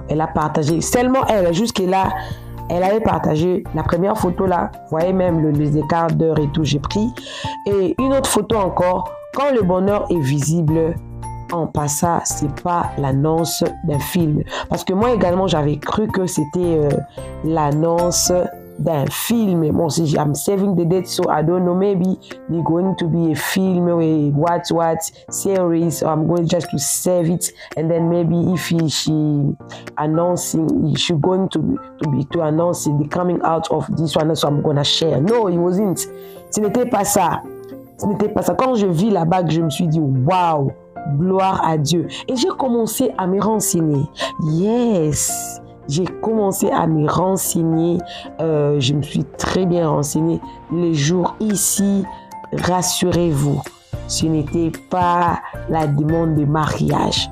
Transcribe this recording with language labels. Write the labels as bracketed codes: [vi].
[fr] Elle a partagé seulement elle, jusque-là. Elle avait partagé la première photo là, vous voyez même les écarts d'heure et tout, j'ai pris. Et une autre photo encore, quand le bonheur est visible, en passant, ce n'est pas l'annonce d'un film. Parce que moi également, j'avais cru que c'était l'annonce d'un film. Bon, si [en] I'm saving the date, so I don't know, maybe it's going to be a film or what, series, or I'm going just to save it, and then maybe if she announcing, she's going to announce the coming out of this one, so I'm going to share. No, it wasn't. [fr] Ce n'était pas ça. Quand je vis la bague, je me suis dit, wow, gloire à Dieu. Et j'ai commencé à me renseigner. [en] Yes! [fr] J'ai commencé à me renseigner, je me suis très bien renseignée. Les jours ici, rassurez-vous, ce n'était pas la demande de mariage.